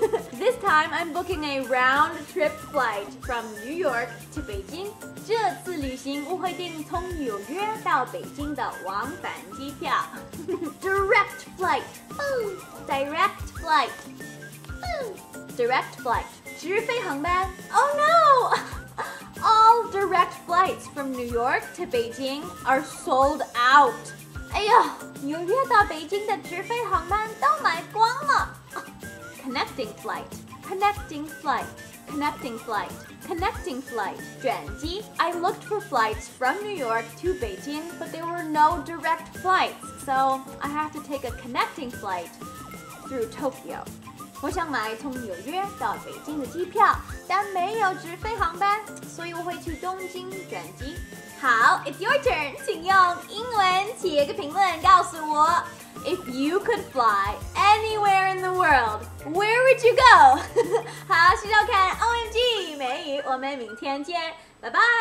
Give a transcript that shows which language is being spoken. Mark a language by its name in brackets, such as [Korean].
[English] This time I'm booking a round trip flight from New York to Beijing. [Chinese] 这次旅行我会订从纽约到北京的往返机票。 [English] Direct flight, direct flight. Direct flight, [Chinese] 直飞航班 [English] Oh no! All direct flights from New York to Beijing are sold out. [Chinese] 哎呀，纽约到北京的直飞航班都买光了。 [English] Connecting flight, connecting flight, connecting flight, connecting flight, [Chinese] 转机 [English] I looked for flights from New York to Beijing, but there were no direct flights, so I have to take a connecting flight through Tokyo. [Chinese] 我想买从纽约到北京的机票，但没有直飞航班，所以我会去东京转机。好 ， [English] It's your turn， [Chinese] 请用英文写个评论告诉我。 [English] If you could fly anywhere in the world, where would you go? [Chinese] 好，谢谢收看 OMG 美语，我们明天见，拜拜。